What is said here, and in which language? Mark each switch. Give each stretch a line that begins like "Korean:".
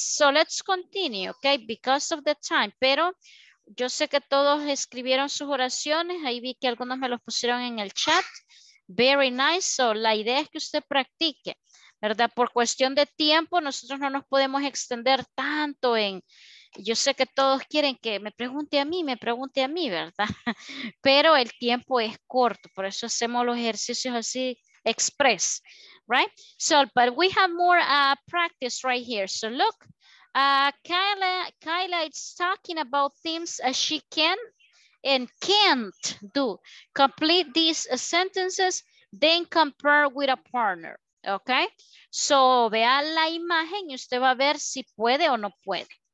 English: So, let's continue, okay, because of the time.
Spanish: Pero yo sé que todos escribieron sus oraciones. Ahí vi que algunos me los pusieron en el chat.
English: Very nice.
Spanish: So, la idea es que usted practique, ¿verdad? Por cuestión de tiempo, nosotros no nos podemos extender tanto en... Yo sé que todos quieren que me pregunte a mí, ¿verdad? Pero el tiempo es corto, por eso hacemos los ejercicios así, express, right?
English: So, but we have more practice right here. So look, Kyla is talking about things she can and can't do. Complete these sentences, then compare with a partner, okay?
Spanish: So vea la imagen y usted va a ver si puede o no puede.